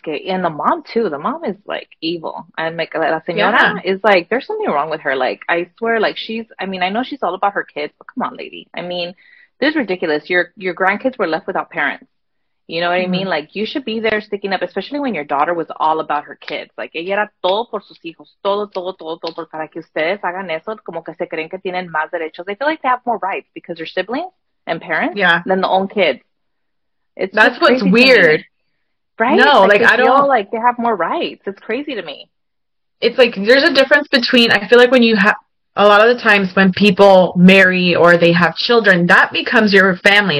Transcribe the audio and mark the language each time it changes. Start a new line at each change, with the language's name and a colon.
English: And the mom, too. The mom is, like, evil. And, like,
Spanish: la señora
English: is, like, there's something wrong with her. Like, I swear, like, I know she's all about her kids, but come on, lady. I mean, this is ridiculous. Your grandkids were left without parents. You know what I mean? Like, you should be there sticking up, especially when your daughter was all about her kids.
Spanish: Like, ella era todo por sus hijos. Todo, todo, todo, todo. Por para que ustedes hagan eso, como que se creen que tienen más derechos.
English: They feel like they have more rights because they're siblings and parents than the own kids. That's what's weird. Right? No, like I don't. Like, they have more rights. It's crazy to me. It's like, there's a difference between, I feel like when you have, a lot of the times when people marry or they have children, that becomes your family.